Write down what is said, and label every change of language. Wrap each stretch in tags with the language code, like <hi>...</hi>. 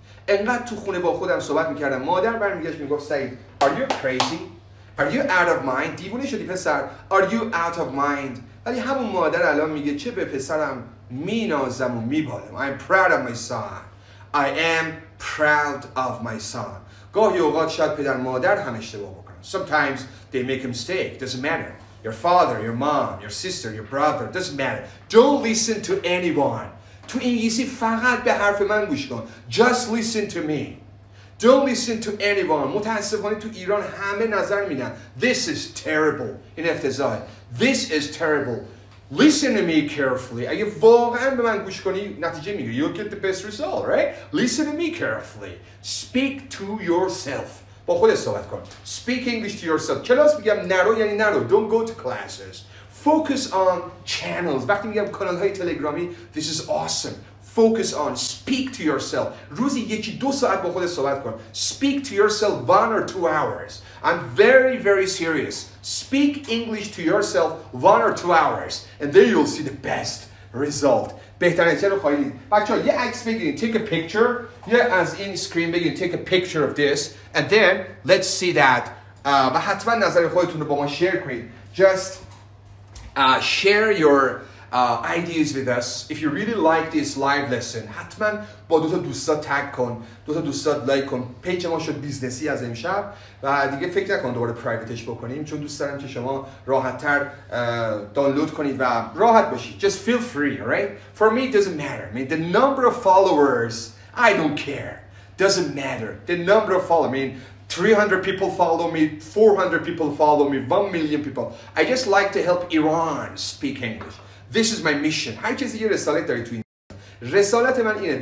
<fa>انقدر تو خونه با خودم صحبت میکردم مادر برمیگشت میگفت سعید</fa> <en>Are you crazy? Are you out of mind?</en> <fa>دیوونه شدی پسر</fa> <en>Are you out of mind?</en> <fa>ولی همون مادر الان میگه چه به پسرم مینازم و میبالم</fa> <en>I'm proud of my son I am proud of my son</en> <fa>گاهی اوقات شاید پدر مادر هم اشتباه بکنن</fa> <en>Sometimes they make a mistake, doesn't matter Your father, your mom, your sister, your brother, doesn't matter Don't listen to anyone</en> <fa>تو انگلیسی فقط به حرف من گوش کن</fa> <en>Just listen to me Don't listen to anyone</en> <fa>متاسفانه تو ایران همه نظر میدن</fa> <en>This is terrible</en> <fa>این افتضاحه</fa> <en>This is terrible Listen to me carefully</en> <fa>اگه واقعا به من گوش کنی نتیجه میگیری</fa> <en>You'll get the best result, right? Listen to me carefully Speak to yourself</en> <fa>با خودت صحبت کن</fa> <en>Speak English to yourself</en> <fa>کلاس میگم نرو یعنی نرو</fa> <en>Don't go to classes Focus on channels.</en> <fa>وقتی میگم کانال‌های تلگرامی,</fa> <en>this is awesome. Focus on, speak to yourself.</en> <fa>روزی یکی دو ساعت با خودت صحبت کن.</fa> <en>Speak to yourself 1 or 2 hours. I'm very, very serious. Speak English to yourself 1 or 2 hours. And then you'll see the best result.</en> <fa>بهترین نتیجه رو خواهید دید. بچه‌ها یه عکس بگیرید.</fa> <en>Take a picture.</en> <fa>یه از این سکرین بگیرید.</fa> <en>Take a picture of this. And then let's see that.</en> <fa>و حتما نظر خودتون رو با ما شیر کنید.</fa> <en>Just... share your ideas with us. If you really like this live lesson,</en> <fa>حتما با دوتا دوستات تگ کن، دوتا دوستات لایک کن. پیج ما شد بیزنسی از امشب و دیگه فکر نکن دوباره پرایویتش بکنیم چون دوست دارم که شما راحت‌تر دانلود کنید و راحت باشید.</fa> <en>Just feel free, right? For me, it doesn't matter. I mean, the number of followers, I don't care. Doesn't matter. The number of followers, I mean, 300 people follow me, 400 people follow me, 1 million people. I just like to help Iran speak English. This is my mission.</en> <fa>هر چیزی یه رسالت داری تو این رسالت من اینه.</fa>